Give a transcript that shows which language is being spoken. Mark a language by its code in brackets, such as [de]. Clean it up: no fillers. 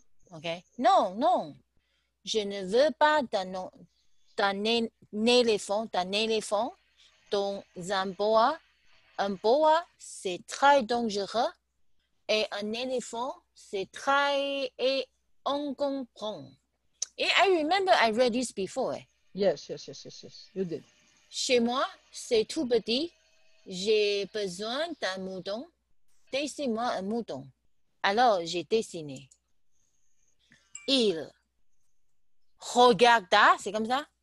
[fr] Ok. Non. Je ne veux pas d'un éléphant dans un bois. Un bois, c'est très dangereux. Et un éléphant, c'est très encombrant. Et [en] I remember I read this before. Yes. You did. [fr] Chez moi, c'est tout petit. J'ai besoin d'un mouton. Dessine-moi un mouton. Alors, j'ai dessiné. Il regarda, c'est comme ça?